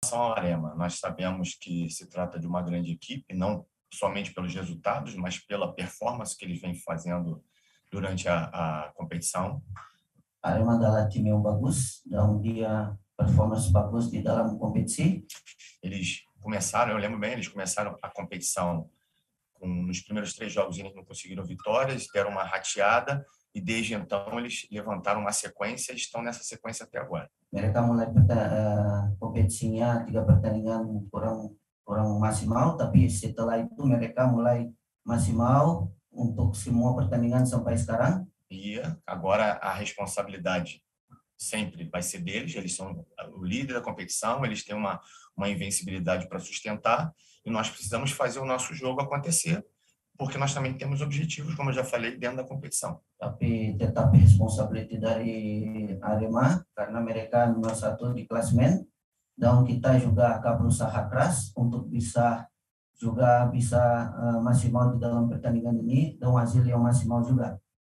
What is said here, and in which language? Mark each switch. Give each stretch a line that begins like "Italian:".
Portuguese: relação ao Arema, nós sabemos que se trata de uma grande equipe, não somente pelos resultados, mas pela performance que ele vem fazendo durante a competição.
Indonesian: Arema adalah tim yang bagus dan dia performa bagus di dalam kompetisi.
Portuguese: Eles começaram, eu lembro bem, eles começaram a competição nos primeiros 3 jogos, eles não conseguiram vitórias, deram uma rateada, e desde então eles levantaram uma sequência e estão nessa sequência até agora.
Indonesian: Mereka mulai kompetisinya 3 pertandingan kurang kurang maksimal, tapi setelah itu mereka mulai maksimal untuk semua pertandingan sampai sekarang.
Portuguese: E agora a responsabilidade sempre vai ser deles, eles são o líder da competição, eles têm uma invencibilidade para sustentar, e nós precisamos fazer o nosso jogo acontecer, porque nós também temos objetivos, como eu já falei, dentro da competição.
Indonesian: Tapi tetap responsabilitas dari Arema karena mereka nomor satu di klasemen dan kita juga akan berusaha keras untuk bisa juga bisa maksimal di dalam pertandingan ini dan hasil yang maksimal juga.